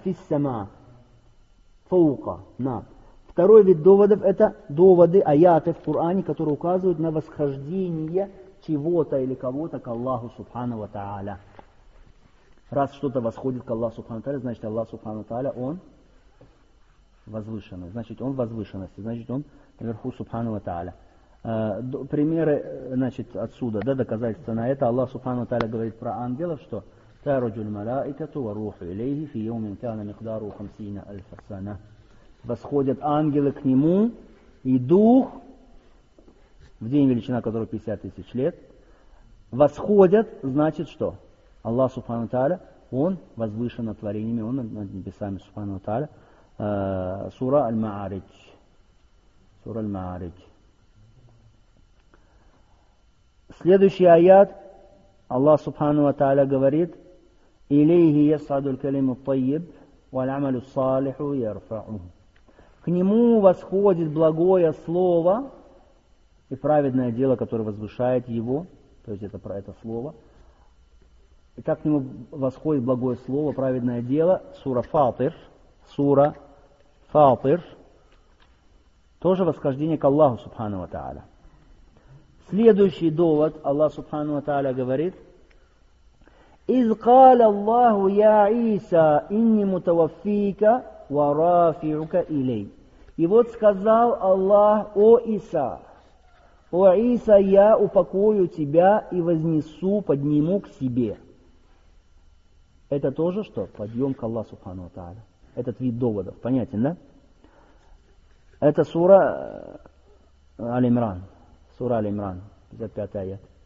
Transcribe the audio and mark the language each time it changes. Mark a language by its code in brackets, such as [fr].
[ru] Фиссама, фаука, над. Второй вид доводов – это доводы, аяты в Коране, которые указывают на восхождение чего-то или кого-то к Аллаху Субхану ва Тааля. Раз что-то восходит к Аллаху Субхану ва Тааля, значит, Аллах Субхану ва Тааля, он возвышенный. Значит, он в возвышенности, значит, он наверху Субхану ва Тааля. Примеры, значит, отсюда, да, доказательства на это. Аллах Субхану ва Тааля говорит про ангелов, что [ar] تَعْرُجُ الْمَلَائِكَةُ وَرُوحُ إِلَيْهِ فِي يَوْمٍ كَانَ مِقْدَارُهُ خَمْسِينَ أَلْفَ سَنَةٍ. [ru] Восходят ангелы к нему, и дух, в день величина которого 50 тысяч лет, восходят, значит что? Аллах Субхану Тааля, он возвышен над творениями, он над небесами Субхану Тааля. Сура Аль-Маарич. Сура Аль-Маарич. Следующий аят, Аллах Субхану Тааля говорит, [ar] إِلَيْهِ يَصْعَدُ الْكَلِمُ الطَّيِّبُ وَالْعَمَلُ الصَّالِحُ يَرْفَعُهُ. [ru] К нему восходит благое слово и праведное дело, которое возвышает его. То есть это про это слово. И как к нему восходит благое слово, праведное дело? Сура Фатир. Сура Фатир. Тоже восхождение к Аллаху Субхану ва Тааля. Следующий довод. Аллах Субхану ва Тааля говорит: [ar] إذ قال الله يا عيسى إني متوفيك ورافعك إلي. [ru] И вот сказал Аллах: о Иса, о Иса, я упокою тебя и вознесу, подниму к себе. Это тоже что? Подъем к Аллаху Субхану ва Тааля. Этот вид доводов. Понятен, да? Это сура Аль-Имран. Сура Аль-Имран. 55 аят.